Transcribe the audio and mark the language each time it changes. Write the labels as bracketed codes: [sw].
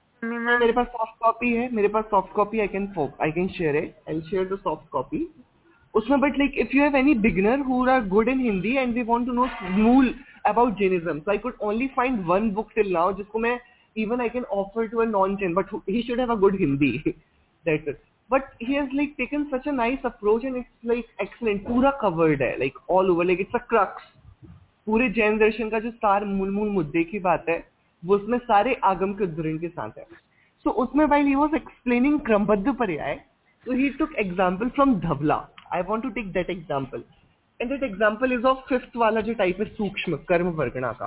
[hi] मेरे पास soft copy [en] है, मेरे पास soft copy, I can share it, I share the soft copy [hi] उसमें. [en] but like if you have any beginner who are good in Hindi and they want to know मूल about Jainism, so I could only find one book till now [hi] जिसको मैं [en] Even I can offer to a non Jain, but he should have a good Hindi that is. But he has like taken such a nice approach and it's like excellent. [hi] पूरा covered है [en] like all over, like it's a crux. [hi] पूरे जैन दर्शन का जो सार मूल मूल मुद्दे की बात है वो उसमें सारे आगम के उद्धरण के साथ है. [en] so [hi] उसमें [en] While he was explaining क्रमबद्ध पर्याय, so he took example from Dhavala. I want to take that example and that example is of fifth [hi] वाला जो टाइप है सूक्ष्म कर्म वर्गणा का.